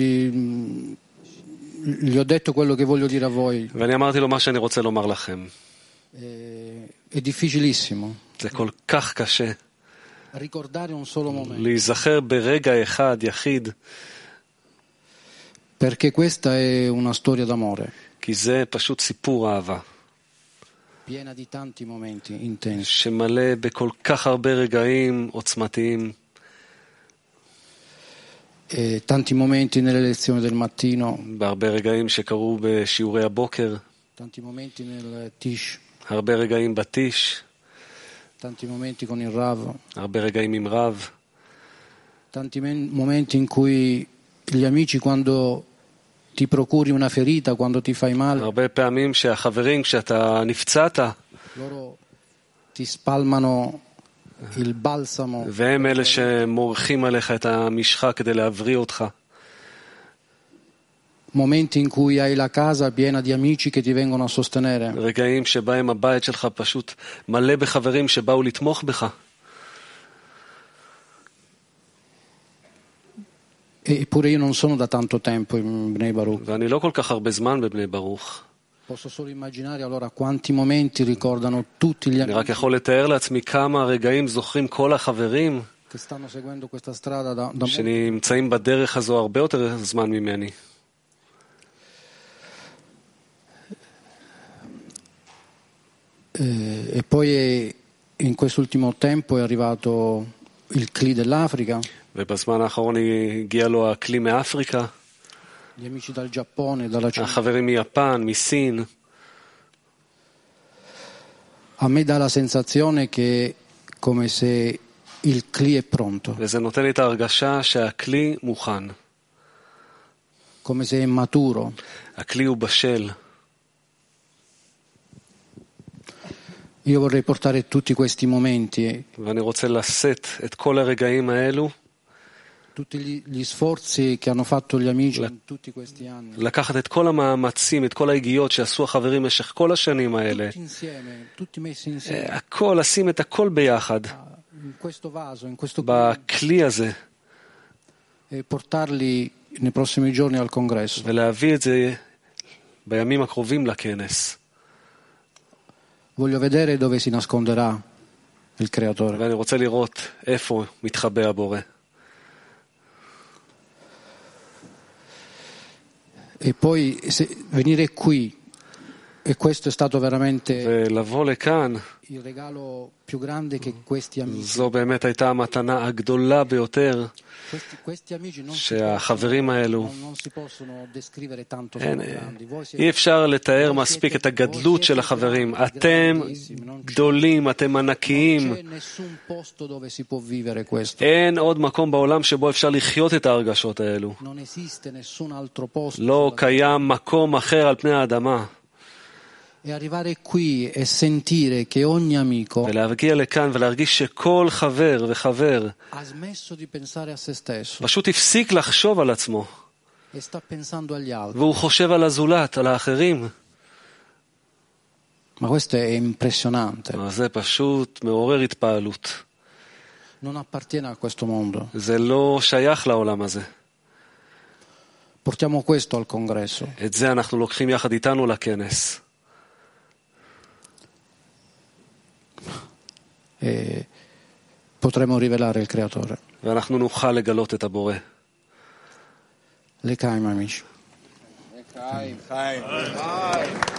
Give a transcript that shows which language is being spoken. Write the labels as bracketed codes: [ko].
[it] Gli ho detto quello che voglio dire a voi. [he] ואני אמרתי לו מה שאני רוצה לומר לכם. [it] È difficilissimo. [he] זה כל כך קשה. [it] Ricordare un solo momento. [he] להיזכר ברגע אחד יחיד. [it] Perché questa è una storia d'amore. [he] כי זה פשוט סיפור אהבה. [it] Piena di tanti momenti intensi. [he] שמלא בכל כך הרבה רגעים עוצמתיים. [it] Tanti momenti nelle lezioni del mattino, [he] הרבה רגעים שקרו בשיעורי הבוקר, [it] tanti momenti nel tish, [he] הרבה רגעים בתיש, [it] tanti momenti con il rav, [he] הרבה רגעים עם רב, [it] tanti momenti in cui gli amici quando ti procuri una ferita, quando ti fai male, [he] הרבה פעמים שהחברים כשאתה נפצעת, [it] loro ti spalmano il balsamo, [he] והם אלה שמורחים עליך את המשחה כדי להבריא אותך. [it] Momenti in cui hai la casa piena di amici che ti vengono a sostenere. [he] רגעים שבהם הבית שלך פשוט מלא בחברים שבאו לתמוך בך. [it] Eppure io non sono da tanto tempo in Bnei Baruch. [he] ואני לא כל כך הרבה זמן בבני ברוך. [it] Posso solo immaginare allora quanti momenti ricordano tutti gli amici. [he] רק יכול לתאר לעצמי כמה רגעים זוכרים כל החברים [it] che stanno seguendo questa strada da [he] שנמצאים בדרך הזו הרבה יותר זמן ממני. [it] E poi in quest'ultimo tempo è arrivato il cli dell'Africa. [he] ובזמן האחרון הגיע לו הכלי מאפריקה. [it] Gli amici dal Giappone, dalla Cina. [he] החברים מיפן, מסין. [it] A me dà la sensazione che come se il cli è pronto. [he] וזה נותן לי את ההרגשה שהכלי מוכן. [it] Come se è maturo. [he] הכלי הוא בשל. [it] Io vorrei portare tutti questi momenti. [he] ואני רוצה לשאת את כל הרגעים האלו. [it] Tutti gli sforzi che hanno fatto gli amici in tutti questi anni. [he] לקחת את כל המאמצים, את כל ההגיעות שעשו החברים במשך כל השנים האלה. [it] Tutti insieme, tutti messi insieme. [he] הכל, לשים את הכל ביחד. [it] In questo vaso, in questo [he] בכלי הזה. [it] E portarli nei prossimi giorni al congresso. [he] ולהביא את זה בימים הקרובים לכנס. [it] Voglio vedere dove si nasconderà il creatore. [he] ואני רוצה לראות איפה מתחבא הבורא. [it] E poi se venire qui e questo è stato veramente il regalo più grande che questi amici. [he] זו באמת הייתה המתנה הגדולה ביותר. [it] Questi amici non [he] שהחברים האלו [it] non si possono descrivere tanto grandi. [he] אי אפשר לתאר מספיק את הגדלות של החברים. אתם גדולים, אתם ענקיים. [it] Non c'è nessun posto dove si può vivere questo. [he] אין עוד מקום בעולם שבו אפשר לחיות את ההרגשות האלו. [it] Non esiste nessun altro posto. [he] לא קיים מקום אחר על פני האדמה. [it] E arrivare qui e sentire che ogni amico [he] ולהגיע לכאן ולהרגיש שכל חבר וחבר [it] ha smesso di pensare a se stesso. [he] פשוט הפסיק לחשוב על עצמו. [it] E sta pensando agli altri. [he] והוא חושב על הזולת, על האחרים. [it] Ma questo è impressionante. [he] זה פשוט מעורר התפעלות. [it] Non appartiene a questo mondo. [he] זה לא שייך לעולם הזה. [it] Portiamo questo al congresso. [he] את זה אנחנו לוקחים יחד איתנו לכנס. [it] E potremo rivelare il creatore. [he] ואנחנו נוכל לגלות את הבורא. לקיים אמיש. לקיים, חיים. חיים.